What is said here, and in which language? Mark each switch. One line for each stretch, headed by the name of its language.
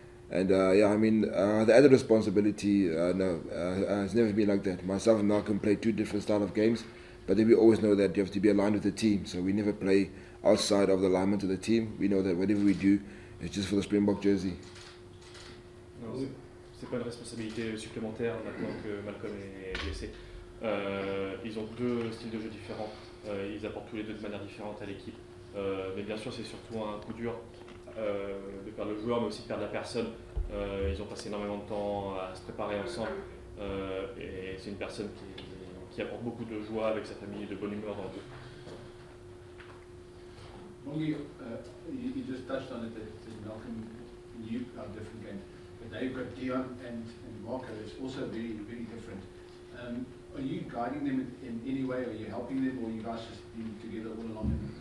English: And the added responsibility, it's never been like that. Myself and Malcolm play two different style of games, but then we always know that you have to be aligned with the team. So we never play outside of the alignment of the team. We know that whatever we do, it's just for the Springbok jersey.
French: Non, c'est pas une responsabilité supplémentaire maintenant que Malcolm est blessé. Ils ont deux styles de jeu différents. Ils apportent tous les deux de manière différente à l'équipe. Mais bien sûr, c'est surtout un coup dur de perdre le joueur, mais aussi de perdre la personne. Ils ont passé énormément de temps à se préparer ensemble. Et c'est une personne qui apporte beaucoup de joie avec sa famille et de bonne humeur.
English: Bongi, you just touched on it that Malcolm and you are different games. But now you've got Dion and Marco, it's also very, very different. Are you guiding them in any way? Are you helping them? Or are you guys just being together all along?